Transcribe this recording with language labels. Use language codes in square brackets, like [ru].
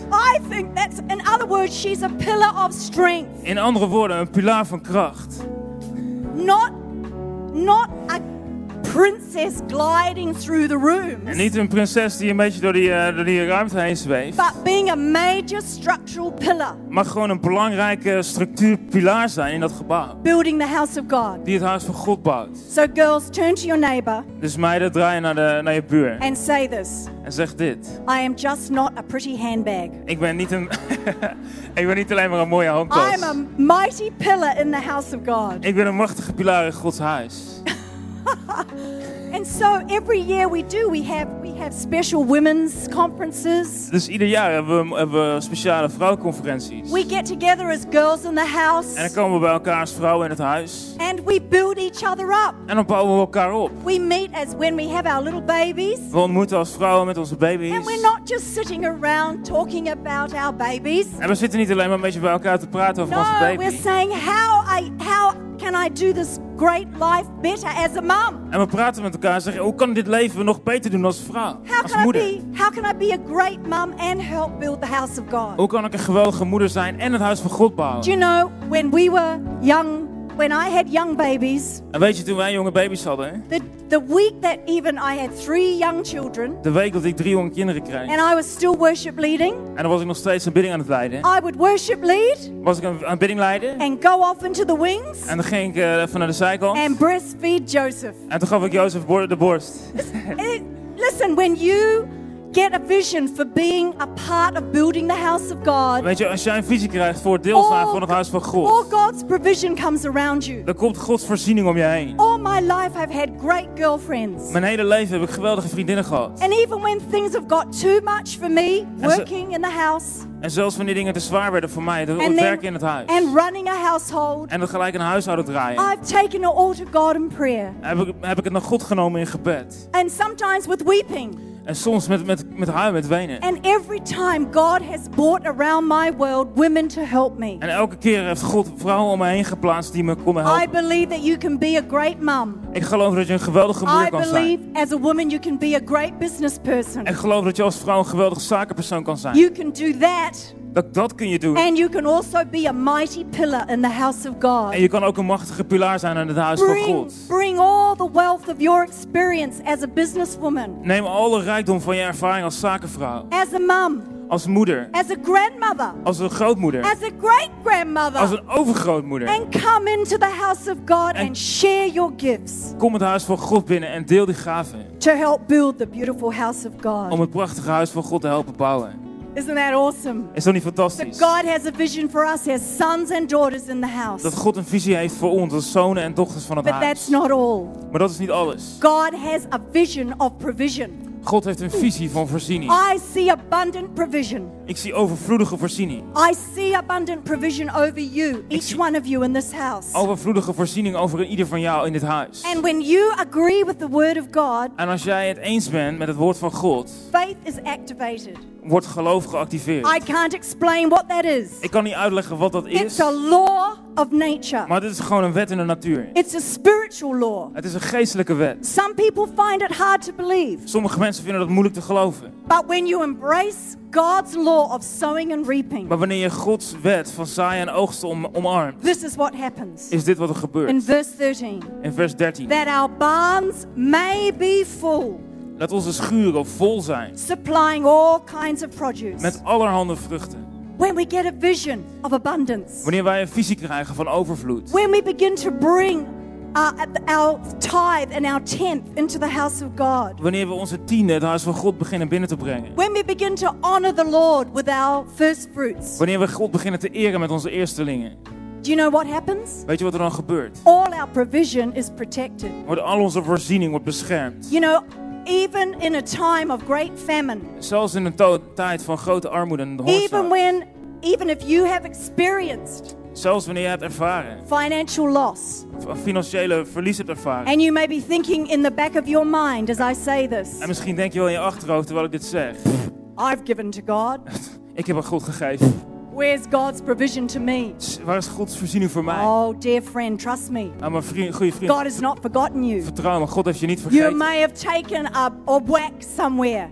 [en] I think that's, in other words, she's a pillar of strength. [nl] In andere woorden, een pilaar van kracht. [en] Not a princess gliding through the rooms. [nl] En niet een prinses die een beetje door die ruimte heen zweeft. [en] But being a major structural pillar. [nl] Maar gewoon een belangrijke structuurpilaar zijn in dat gebouw. [en] Building the house of God. [nl] Die het huis van God bouwt. [en] So girls, turn to your neighbor. [nl] Dus meiden, draai naar je buur. [en] And say this. [nl] En zeg dit. [en] I am just not a pretty handbag. [nl] Ik ben niet een ik ben niet alleen maar een mooie handtas. [en] I am a mighty pillar in the house of God. [nl] Ik ben een machtige pilaar in Gods huis. [en] And so every year we have special women's conferences. [nl] Dus ieder jaar hebben we speciale vrouwenconferenties. [en] We get together as girls in the house. [nl] En dan komen we bij elkaar als vrouwen in het huis. [en] And we build each other up. [nl] En dan bouwen we elkaar op. [en] We meet as when we have our little babies. [nl] We ontmoeten als vrouwen met onze baby's. [en] And we're not just sitting around talking about our babies. [nl] En we zitten niet alleen maar een beetje bij elkaar te praten over [en] no, [nl] onze baby. [en] No, we're saying how can I do this great life better as a mom? [nl] En we praten met elkaar en zeggen, hoe kan dit leven nog beter doen als vrouw, als moeder? [en] How can I be a great mom and help build the house of God? [nl] Hoe kan ik een geweldige moeder zijn en het huis van God bouwen? [en] Do you know, when we were young, when I had young babies. [nl] En weet je, toen wij jonge baby's hadden, [en] the week that even I had three young children. [nl] De week dat ik drie jonge kinderen kreeg. [en] And I was still worship leading. [nl] En dan was ik nog steeds een bidding aan het leiden. [en] I would worship lead. [nl] Was ik een bidding leiden. [en] And go off into the wings. [nl] En dan ging ik van naar de zijkant. [en] And breastfeed Joseph. [nl] En toen gaf ik Joseph de borst. [en] Listen, when you get a vision for being a part of building the house of God. [nl] Weet je, als jij een visie krijgt voor deel zijn van het huis van God. [en] All God's provision comes around you. [nl] Dan komt Gods voorziening om je heen. [en] All my life I've had great girlfriends. [nl] Mijn hele leven heb ik geweldige vriendinnen gehad. [en] And even when things have got too much for me, working in the house. [nl] En zelfs wanneer dingen te zwaar werden voor mij, het werken in het huis. [en] And running a household. [nl] En het gelijk een huishouden draaien. [en] I've taken it all to God in prayer. [nl] Heb ik het naar God genomen in gebed. [en] And sometimes with weeping. [nl] En soms met haar met wenen. [en] And every time God has brought around my world women to help me. [nl] En elke keer heeft God vrouwen om me heen geplaatst die me konden helpen. [en] I believe that you can be a great mom. [nl] Ik geloof dat je een geweldige moeder kan zijn. [en] I believe as a woman you can be a great business person. [nl] Ik geloof dat je als vrouw een geweldige zakenpersoon kan zijn. [en] You can do that. [nl] Dat kun je doen. [en] And you can also be a mighty pillar in the house of God. [nl] En je kan ook een machtige pilaar zijn in het huis van God. [en] Bring all the wealth of your experience as a businesswoman. [nl] Neem alle rijkdom van je ervaring als zakenvrouw. [en] As a mom. [nl] Als moeder. [en] As a grandmother. [nl] Als een grootmoeder. [en] As a great grandmother. [nl] Als een overgrootmoeder. [en] And come into the house of God and share your gifts. [nl] Kom het huis van God binnen en deel die gaven. [en] To help build the beautiful house of God. [nl] Om het prachtige huis van God te helpen bouwen. [en] Isn't that awesome? [nl] Is dat niet fantastisch? [en] That God has a vision for us as sons and daughters in the house. [nl] Dat God een visie heeft voor ons als zonen en dochters van het huis. [en] But that's not all. [nl] Maar dat is niet alles. [en] God has a vision of provision. [nl] God heeft een visie van voorziening. [en] I see abundant provision. [nl] Ik zie overvloedige voorziening. [en] I see abundant provision over you, each one of you in this house. [nl] Overvloedige voorziening over ieder van jou in dit huis. [en] And when you agree with the word of God. [nl] En als jij het eens bent met het woord van God. [en] Faith is activated. [nl] Wordt geloof geactiveerd. [en] I can't explain what that is. [nl] Ik kan niet uitleggen wat dat is. [en] It's a law of nature. [nl] Maar dit is gewoon een wet in de natuur. [en] It's a spiritual law. [nl] Het is een geestelijke wet. [en] Some people find it hard to believe. [nl] Sommige mensen vinden dat moeilijk te geloven. [en] But when you embrace God's law of sowing and reaping. [nl] Maar wanneer je Gods wet van zaaien en oogsten omarmt. [en] This is what happens. [nl] Is dit wat er gebeurt? [en] In verse 13. [nl] In vers 13. [en] That our barns may be full. [nl] Dat onze schuren vol zijn. [en] Supplying all kinds of produce. [nl] Met allerhande vruchten. [en] When we get a vision of abundance. [nl] Wanneer wij een visie krijgen van overvloed. [en] When we begin to bring our tithe and our tenth into the house of God. [nl] Wanneer we onze tiende het huis van God beginnen binnen te brengen. [en] When we begin to honor the Lord with our first fruits. [nl] Wanneer we God beginnen te eren met onze eerstelingen. [en] Do you know what happens? [nl] Weet je wat er dan gebeurt? [en] All our provision is protected. [nl] Wordt al onze voorziening wordt beschermd. [en] You know, even in a time of great famine. [nl] Zelfs in een tijd van grote armoede en hongersnood. [en] Even if you have experienced. [nl] Zelfs wanneer je hebt ervaren. [en] Financial loss. [nl] Financiële verlies hebt ervaren. [en] And you may be thinking in the back of your mind as I say this. [nl] En misschien denk je wel in je achterhoofd terwijl ik dit zeg. [en] I've given to God. [nl] Ik heb aan God gegeven. [en] Where's God's provision to me? [nl] Waar is Gods voorziening voor mij? [en] Oh, dear friend, trust me. [nl] Mijn vriend, goede vriend. [en] God has not forgotten you. [nl] Vertrouw me, God heeft je niet vergeten. [en] You may have taken a whack somewhere.